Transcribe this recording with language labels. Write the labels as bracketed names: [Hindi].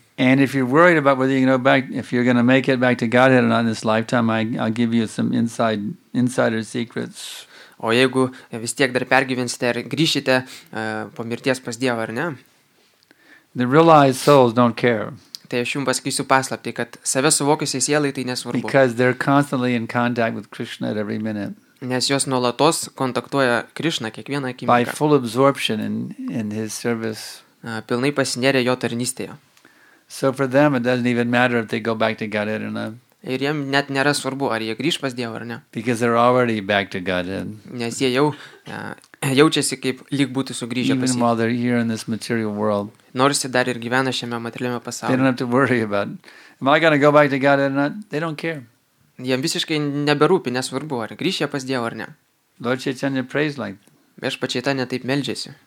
[English] And if you're worried about whether you're going to back, if you're going to make it back to Godhead or not in this lifetime, I'll give you some insider secrets. [Lithuanian] O jeigu vis tiek dar pergyvensite ir grįšite po mirties pas Dievą, ar ne? [English] The realized souls don't care. [Lithuanian] Tai aš jums pasakysiu paslaptį, kad save suvokiusiai sielai tai nesvarbu. [English] Because they're constantly in contact with Krishna at every minute. [Lithuanian] Nes jos nuolatos kontaktuoja Krishna kiekvieną akimirką. [English] By full absorption in his service. [Lithuanian] Pilnai pasinėrė jo tarnystėje. [English] So for them it doesn't even matter if they go back to Godhead or not. [Lithuanian] Ir jiem net nėra svarbu, ar jie grįš pas Dievą ar ne. [English] Because they're already back to Godhead. [Lithuanian] Nes jie jau jaučiasi kaip lyg būtų sugrįžę pas jį. [English] Even while they're here in this material world. [Lithuanian] Nors jie dar ir gyvena šiame materialiame pasaulyje. [English] They don't have to worry about, am I going to go back to Godhead or not? They don't care. [Lithuanian] Jiem visiškai neberūpi, nesvarbu, ar grįš jie pas Dievą ar ne. [English] Lord Chaitanya prays like that. [Lithuanian] Aš pačiai tą netaip meldžiasi.